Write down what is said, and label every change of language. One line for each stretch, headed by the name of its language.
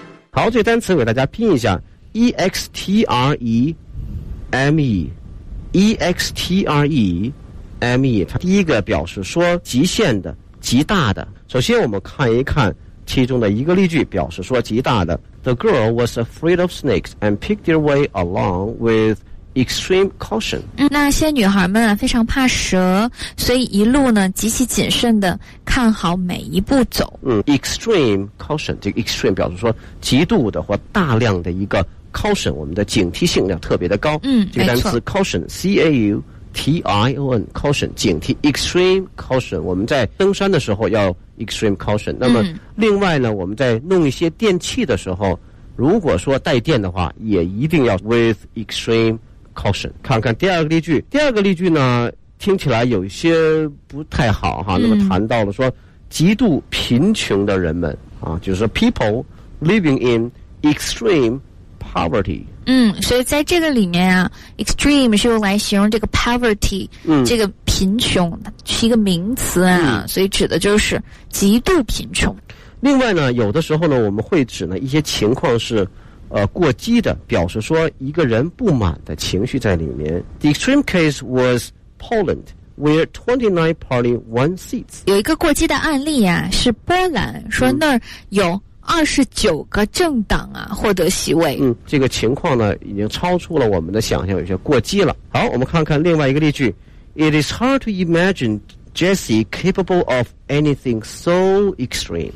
Chinese: 好，这单词给大家拼一下 ，extreme，extreme， 它第一个表示说极限的。极大的，首先我们看一看其中的一个例句，表示说极大的。
English: The girl was afraid of snakes and picked her way along with extreme caution.、
Chinese: 嗯、那些女孩们非常怕蛇，所以一路呢极其谨慎的看好每一步走。嗯 ，extreme caution， 这个 extreme 表示说极度的或大量的一个 caution， 我们的警惕性要特别的高。嗯，这个单词 caution， C A U。T-I-O-N caution 警惕 extreme caution 我们在登山的时候要 extreme caution 那么另外呢、嗯、我们在弄一些电器的时候如果说带电的话也一定要
English: with extreme caution
Chinese: 看看第二个例句第二个例句呢听起来有一些不太好哈、嗯、那么谈到了说极度贫穷的人们啊，就是说
English: people living in extreme poverty
Chinese: 嗯，所以在这个里面啊 ，extreme 是用来形容这个 poverty，、嗯、这个贫穷是一个名词啊、嗯，所以指的就是极度贫穷。另外呢，有的时候呢，我们会指呢一些情况是，过激的，表示说一个人不满的情绪在里面。
English: The extreme case was Poland, where 29 party won seats。
Chinese: 有一个过激的案例啊，是波兰，说那儿有、嗯。 29个政党啊获得席位嗯这个情况呢已经超出了我们的想象有些过激了好我们看看另外一个例句
English: It is hard to imagine Jesse capable of anything so extreme